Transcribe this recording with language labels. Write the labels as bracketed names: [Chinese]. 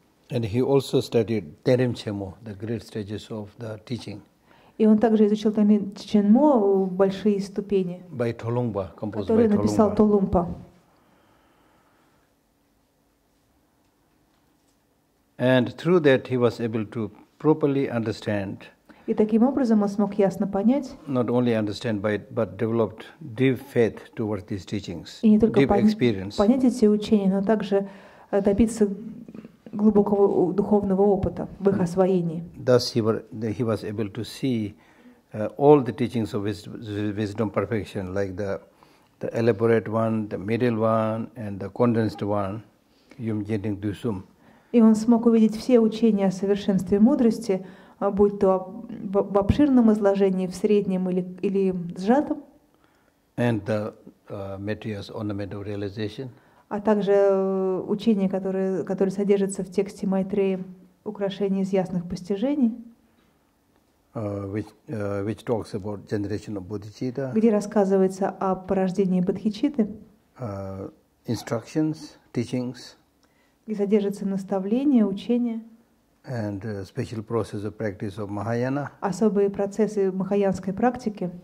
[English] And he also studied Tenrin Chenmo, the great stages of the teaching. [Russian] И он также изучил Tenrin Chenmo, большие ступени. [English] By Tolongpa, composed by Tolongpa. [Russian] Который написал Tolongpa. [English] And through that he was able to properly understand. [Russian] И таким образом он смог ясно понять. [English] Not only understand but developed deep faith towards these teachings. [Russian] И не только [English] deep experience. [Russian] Понять эти учения, но также добиться глубокого духовного опыта в их освоении. [English] Thus he was able to see all the teachings of wisdom perfection, like the elaborate one, the middle one, and the condensed one, Yum Jinting Dusum. [Russian] И он смог увидеть все учения о совершенстве мудрости, будь то в обширном изложении, в среднем или сжатом. [English] And the Maitreya's ornament of realization. [Russian] А также учение, которое содержится в тексте Майтреи «Украшение из ясных постижений», [English] which talks about generation of bodhicitta, [Russian] где рассказывается о порождении бодхичитты, [English] instructions, teachings, [Russian] где содержится наставление, учение, [English] And special process of practice of Mahayana. [Russian] Особые процессы махаянской практики.